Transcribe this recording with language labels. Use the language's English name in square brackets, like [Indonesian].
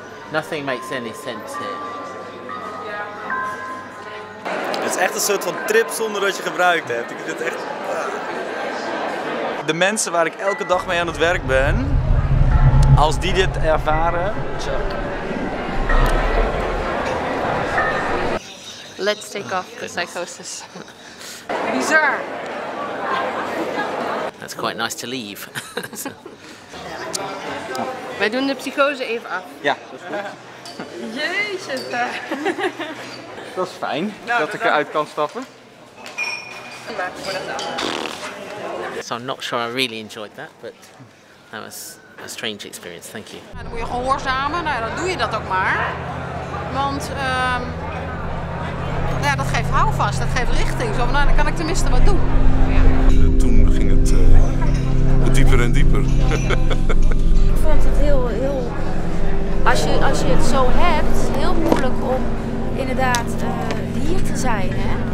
[English] Nothing makes any sense here. [Dutch] Het is echt een soort van trip zonder dat je gebruikt hebt. Ik vind het echt. De mensen waar ik elke dag mee aan het werk ben, als die dit ervaren. [English] Let's take off the psychosis. [Dutch] Bizar. [English] That's quite nice to leave. [Dutch] Wij doen de psychose even af. Ja. Jeetje. Dat is fijn dat ik eruit kan stappen. [English] So I'm not sure I really enjoyed that, but that was a strange experience. Thank you. [Dutch] Ja, dan moet je gehoorzamen. Nou, dan doe je dat ook maar. Want ja, dat geeft houvast, dat geeft richting. Zo, nou, dan kan ik tenminste wat doen. Ja. Toen ging het dieper en dieper. Ik vond het heel als je het zo hebt, heel moeilijk om inderdaad hier te zijn, hè?